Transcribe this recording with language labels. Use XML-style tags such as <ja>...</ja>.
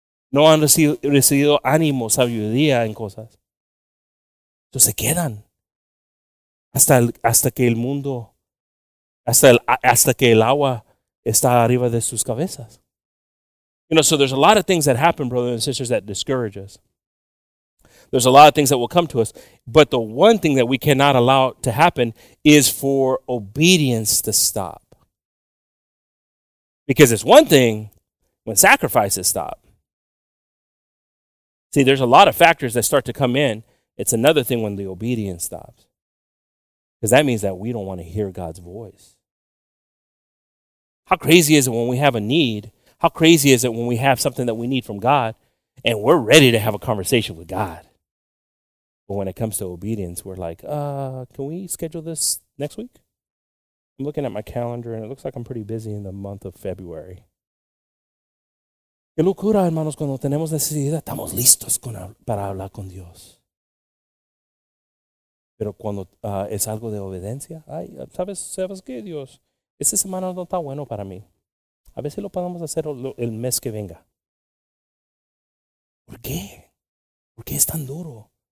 <es>No han recibido ánimo, sabiduría en cosas. Entonces se quedan. Hasta que el agua está arriba de sus cabezas.</es> <en>You know, so there's a lot of things that happen, brothers and sisters, that discourage us. There's a lot of things that will come to us. But the one thing that we cannot allow to happen is for obedience to stop. Because it's one thing when sacrifices stop. See, there's a lot of factors that start to come in. It's another thing when the obedience stops. Because that means that we don't want to hear God's voice. How crazy is it when we have a need? How crazy is it when we have something that we need from God and we're ready to have a conversation with God? But when it comes to obedience, we're like, can we schedule this next week? I'm looking at my calendar and it looks like I'm pretty busy in the month of February.</en> <es>Qué locura, hermanos, cuando tenemos necesidad, estamos listos para hablar con Dios. Pero cuando es algo de obediencia, ay, ¿sabes qué, Dios? Esta semana no está bueno para mí. A ver si lo podemos hacer el mes que venga. ¿Por qué? ¿Por qué es tan duro?</es>